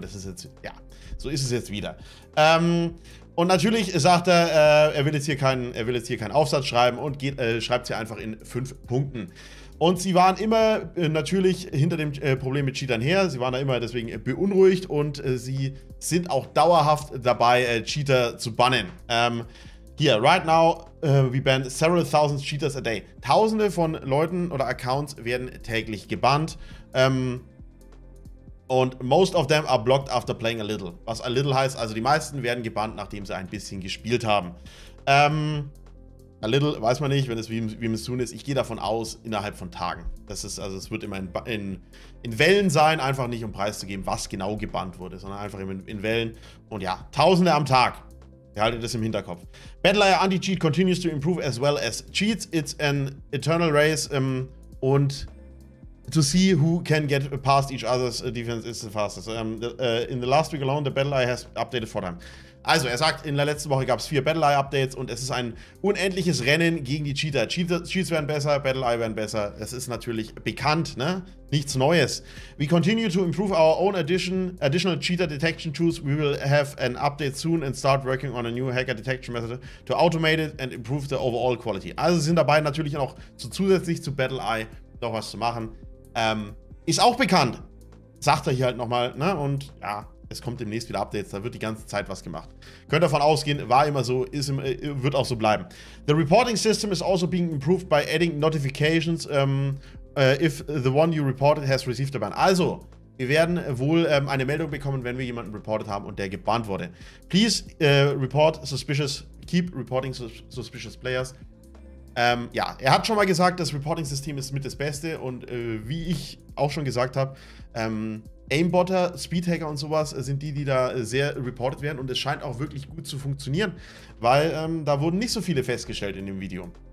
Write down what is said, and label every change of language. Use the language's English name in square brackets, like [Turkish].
[German] Und das ist jetzt, ja, so ist es jetzt wieder. Und natürlich sagt er, er will jetzt hier keinen Aufsatz schreiben und schreibt es hier einfach in 5 Punkten. Und sie waren immer natürlich hinter dem Problem mit Cheatern her. Sie waren da immer deswegen beunruhigt und sie sind auch dauerhaft dabei, Cheater zu bannen. [English] Hier, right now, we ban several thousand cheaters a day. [German] Tausende von Leuten oder Accounts werden täglich gebannt. [English] Und most of them are blocked after playing a little. [German] Was [English] a little [German] heißt, also die meisten werden gebannt, nachdem sie ein bisschen gespielt haben. [English] A little, [German] weiß man nicht, wenn es wie es soon ist. Ich gehe davon aus, innerhalb von Tagen. Das ist, also es wird immer in Wellen sein, einfach nicht um preiszugeben, was genau gebannt wurde, sondern einfach in Wellen. Und ja, Tausende am Tag. Behaltet das im Hinterkopf. [English] Badlier Anti-Cheat continues to improve as well as cheats. It's an eternal race. Und to see who can get past each other's defense is the fastest. In the last week alone, the Badlier has updated 4 times. [German] Also, er sagt, in der letzten Woche gab es 4 Battle-Eye-Updates und es ist ein unendliches Rennen gegen die Cheater. Cheats werden besser, Battle-Eye werden besser. Es ist natürlich bekannt, ne? Nichts Neues. [English] We continue to improve our own additional cheater detection tools. We will have an update soon and start working on a new hacker detection method to automate it and improve the overall quality. [German] Also, sie sind dabei, natürlich auch zusätzlich zu Battle-Eye noch was zu machen. Ist auch bekannt, sagt er hier halt nochmal, ne? Und ja, es kommt demnächst wieder Updates, da wird die ganze Zeit was gemacht. Könnt davon ausgehen, war immer so, wird auch so bleiben. [English] The reporting system is also being improved by adding notifications if the one you reported has received a ban. [German] Also, wir werden wohl eine Meldung bekommen, wenn wir jemanden reported haben und der gebannt wurde. [English] Please report suspicious, keep reporting suspicious players. [German] Ja, er hat schon mal gesagt, das Reporting-System ist mit das Beste und wie ich auch schon gesagt habe, Aimbotter, Speedhacker und sowas sind die, die da sehr reported werden und es scheint auch wirklich gut zu funktionieren, weil da wurden nicht so viele festgestellt in dem Video.